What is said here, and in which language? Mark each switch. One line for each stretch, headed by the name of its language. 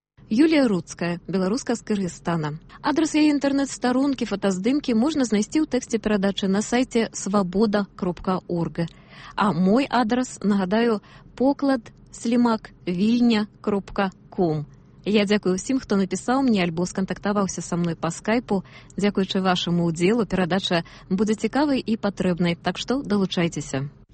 Belarusian: Юлія Рудская, беларуска з Кыргызстана. Адрес яе інтэрнэт-старонкі, фотаздымкі можна знайсці ў тэксце перадачы на сайте свабода.орг. А мой адрес, нагадаю, покладслімаквільня.ком.
Ukrainian: Я дякую всім, хто написав мені або сконтактувався зі мною по скайпу. Дякуючи вашому уділу, передача буде цікавою і потрібною. Так що долучайтеся.